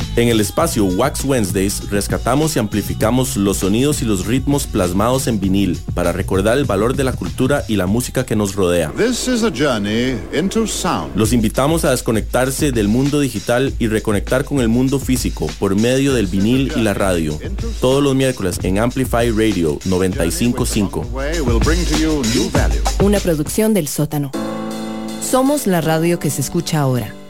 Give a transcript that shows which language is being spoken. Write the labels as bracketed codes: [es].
[es] En el espacio Wax Wednesdays rescatamos y amplificamos los sonidos y los ritmos plasmados en vinil para recordar el valor de la cultura y la música que nos rodea. [en] This is a journey into sound. [es] Los invitamos a desconectarse del mundo digital y reconectar con el mundo físico por medio del vinil y la radio. Todos los miércoles en Amplify Radio 95.5. Una producción del sótano. Somos la radio que se escucha ahora.